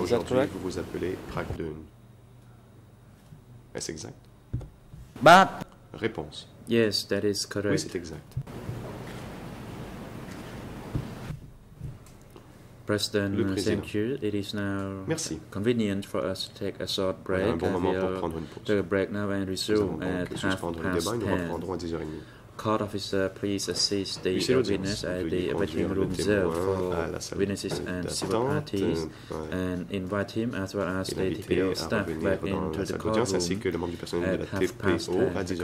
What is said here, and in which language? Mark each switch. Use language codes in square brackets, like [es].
[fr] à aujourd'hui, vous vous appelez Prak Dun. Est-ce exact? [en] But [fr] Réponse. [en] Yes, that is correct. [fr] Oui, c'est exact. [en] President, le président. Thank you. It is now [fr] merci. [en] Convenient for us to take a short break. [fr] On a un bon moment pour prendre une pause. [en] Take a break now and resume at half past 10. [fr] Nous reprendrons à 10h30. [en] Court officer, please assist the witness at the waiting room zero for witnesses and civil parties and invite him as well as the TPO staff back into the courtroom [fr] ainsi que le membre du personnel de la TPO à 10h30.